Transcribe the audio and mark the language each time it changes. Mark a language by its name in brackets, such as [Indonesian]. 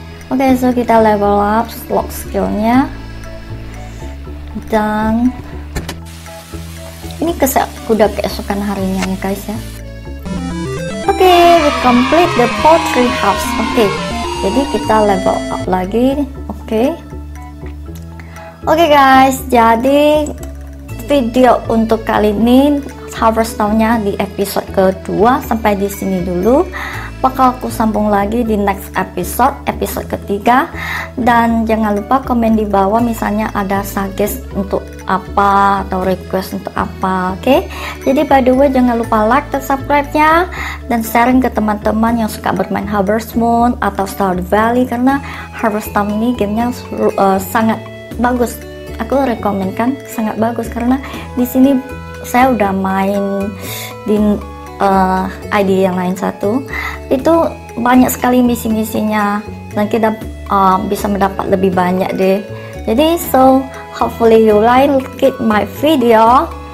[Indonesian] Okay, so kita level up slot skillnya. Dan ini kuda keesokan harinya ya guys ya. [English] Okay, we complete the pottery house. [Indonesian] Okay, jadi kita level up lagi. Okay guys, jadi video untuk kali ini Harvest Town-nya di episode kedua sampai di sini dulu. Bakal aku sambung lagi di next episode, episode ketiga. Dan jangan lupa komen di bawah misalnya ada suggest untuk apa atau request untuk apa. Okay? Jadi by the way jangan lupa like dan subscribe-nya dan sharing ke teman-teman yang suka bermain Harvest Moon atau Stardew Valley, karena Harvest Town ini gamenya sangat bagus. Aku rekomendkan sangat bagus karena di sini saya udah main di ID yang lain satu. Itu banyak sekali misi-misinya dan kita bisa mendapat lebih banyak deh. [English] Jadi so hopefully you like it my video.